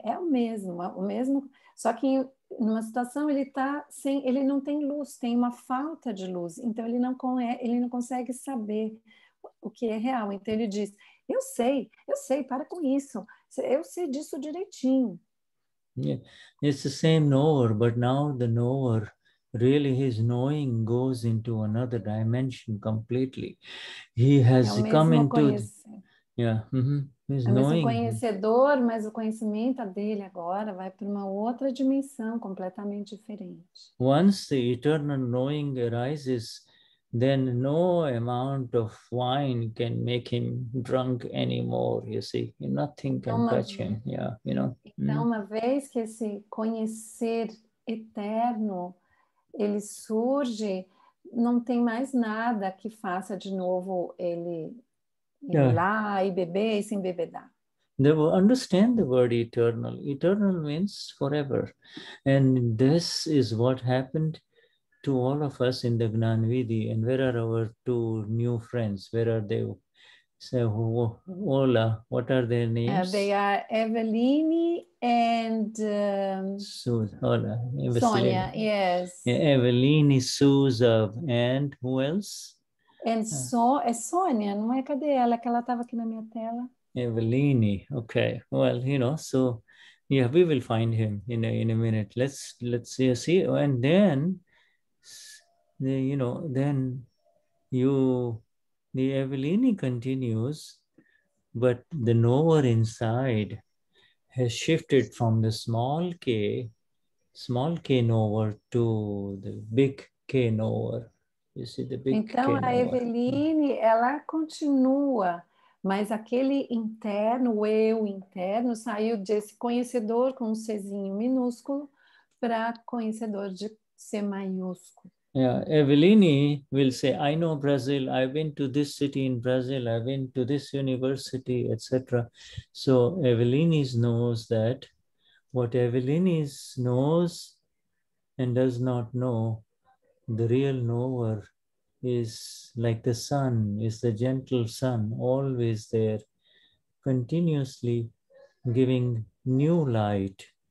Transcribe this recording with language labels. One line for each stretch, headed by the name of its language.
Portuguese: É o mesmo, só que numa situação ele está sem, ele não tem luz, tem uma falta de luz, então ele não consegue saber o que é real. Então ele diz, eu sei, para com isso, eu sei disso direitinho.
English: Yeah. It's the same knower, but now the knower, really his knowing goes into another dimension completely. He has come into... Yeah.
Portuguese: mesmo conhecedor, mas o conhecimento dele agora vai para uma outra dimensão completamente diferente.
English: Once the eternal knowing arises, then no amount of wine can make him drunk anymore, you see. Nothing can touch him, yeah, you know.
Portuguese: Então, uma vez que esse conhecer eterno, ele surge, não tem mais nada que faça de novo ele ir lá e beber e se embebedar.
English: They will understand the word eternal. Eternal means forever. And this is what happened to all of us in the Gnan Vidhi. And where are our two new friends? Where are they? So, hola, what are their names? They are Eveline and...
Spanish: Hola,
English: Sonia, yes. Yeah, Eveline, Souza, and who else?
Portuguese: And Sonia, não é? Cadê ela? Que ela estava aqui na minha tela.
English: Eveline, okay. Well, you know, so, yeah, we will find him in a minute. Let's see. And then, you know, then you... The Eveline continues, but the knower inside has shifted from the small k knower to the big k knower. You see the big
Portuguese: então,
English: k knower.
Portuguese: Então, a Eveline, ela continua, mas aquele interno, o eu interno, saiu desse conhecedor com um Czinho minúsculo para conhecedor de C maiúsculo.
English: Yeah, Eveline will say, I know Brazil, I've been to this city in Brazil, I've been to this university, etc. So Eveline knows that what Eveline knows and does not know, the real knower is like the sun, is the gentle sun, always there, continuously giving new light.